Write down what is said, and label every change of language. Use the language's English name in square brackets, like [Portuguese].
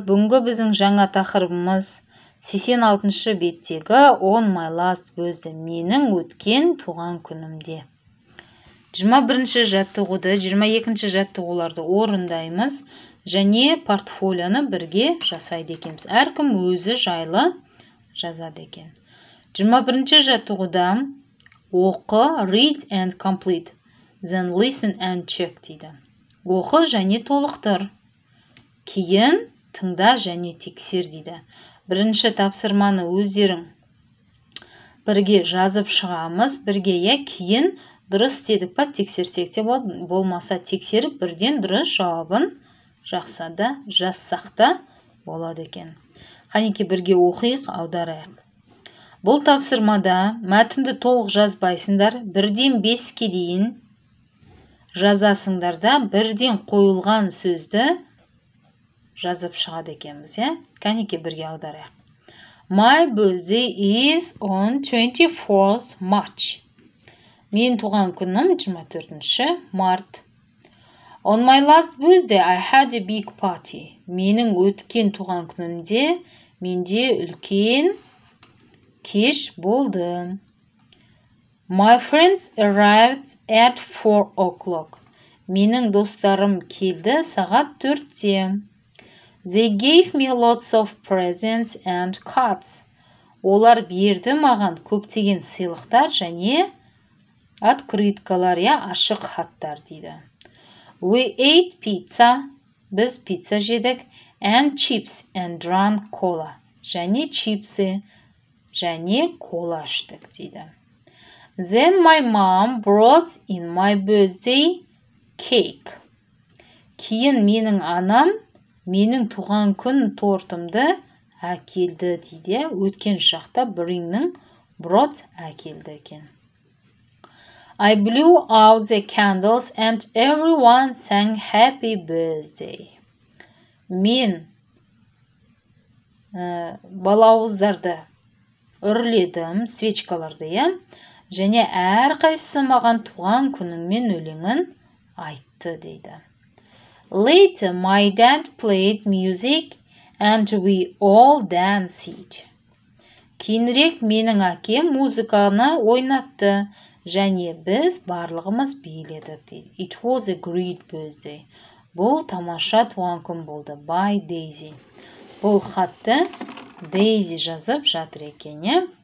[Kazakh] Бүгінгі біздің жаңа тақырыбымыз 86-шы беттегі [English] on my last birthday. [Kazakh] Менің өткен туған күнімде. 21-ші жаттығуды, 22-ші жаттығуларды орындаймыз. Және портфолионы бірге жасайды екенбіз. Әркім өзі жайлы жазады екен. 21-ші жаттығуда оқы, [English] read and complete, then listen and check [Kazakh] дейді. Оқы және толықтыр, кейін тыңда және тексер дейді. Бірінші тапсырманы өздерің бірге жазып шығамыз, бірге я кейін дұрыс дедік па, тексерсек те болмаса тексеріп бірден дұрыс жауабын жақса да, жазсақта болады екен. Қанеке бірге оқиық, аударайық. Бұл тапсырмада мәтінді толық жазбайсыңдар, бірден 5-ке дейін жазасыңдар да, бірден қойылған сөзді жазып шығады екенбіз. Қанеке бірге аударайық. [English] My birthday is on 24th March. [Kazakh] Мен туған күнім 24-ші март. [English] On my last birthday, I had a big party. [Kazakh] Менің өткен туған күнімде, менде үлкен кеш болды. [English] My friends arrived at 4 o'clock. [Kazakh] Менің достарым келді сағат 4-те. [English] They gave me lots of presents and cards. [Kazakh] Олар берді маған көптеген сыйлықтар және открыткалар, ашық хаттар дейді. [English] We ate pizza, [Kazakh] біз пицца жедік, [English] and chips and drank cola, [Kazakh] және чипсы, және кола іштік дейді. [English] Then my mom brought in my birthday cake. [Kazakh] Кейін менің анам, менің туған күн тортымды әкелді дейді. Өткен шақта bring-нің brought әкелді екен. [English] I blew out the candles and everyone sang happy birthday. [Kazakh] Мен балауыздарды үрледім, свечкаларды, және әр қайсы маған туған күніңмен өлеңін айтты дейді. [English] Later my dad played music and we all danced. [Kazakh] Кейінірек менің әкем музыканы ойнатты. Және біз барлығымыз биледік дейді. [English] It was a great birthday. [Kazakh] Бұл тамаша туған күн болды. [English] By Daisy. [Kazakh] Бұл хатты Daisy жазып жатыр екен.